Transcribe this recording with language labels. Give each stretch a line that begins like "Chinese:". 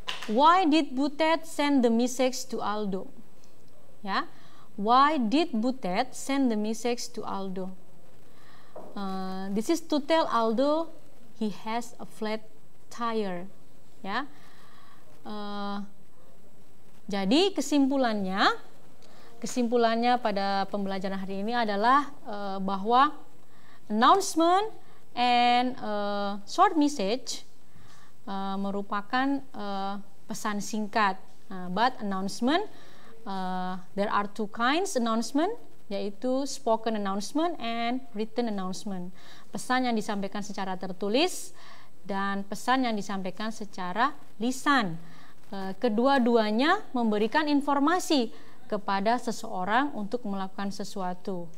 English: Why did Butet send the message to Aldo? Ya. Why did Butet send the message to Aldo? This is to tell Aldo he has a flat tire.
Indonesian: Ya. Jadi kesimpulannya pada pembelajaran hari ini adalah bahwa
English: announcement and short message
Indonesian: merupakan pesan singkat.
English: But announcement, there are two kinds announcement,
Indonesian: yaitu
English: spoken announcement and written announcement.
Indonesian: Pesan yang disampaikan secara tertulis dan pesan yang disampaikan secara lisan. Kedua-duanya memberikan informasi kepada seseorang untuk melakukan sesuatu.